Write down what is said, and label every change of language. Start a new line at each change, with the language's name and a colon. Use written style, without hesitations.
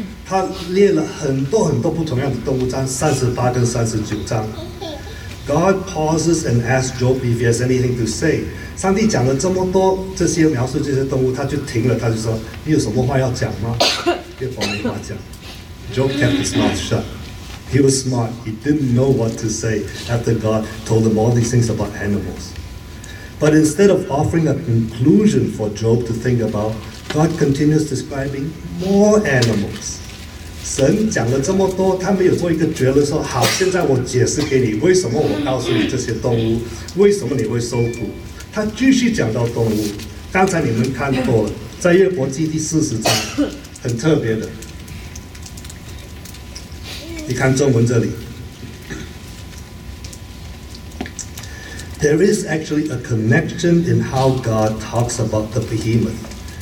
Chinese: 他列了很多很多不同样的动物章，38跟39章。
English: God pauses and asks Job if he has anything to say.
Chinese: 上帝讲了这么多这些描述这些动物，他就停了，他就说你有什么话要讲吗？约伯没话讲。
English: Job kept his mouth shut. He was smart. He didn't know what to say after God told him all these things about animals. But instead of offering a conclusion for Job to think about, God continues describing more animals.
Chinese: 神讲了这么多，他没有做一个结论说好，现在我解释给你为什么我告诉你这些动物，为什么你会受苦。他继续讲到动物，刚才你们看过了，在约伯记第40章，很特别的。你看中文这里。
English: There is actually a connection in how God talks about the behemoth.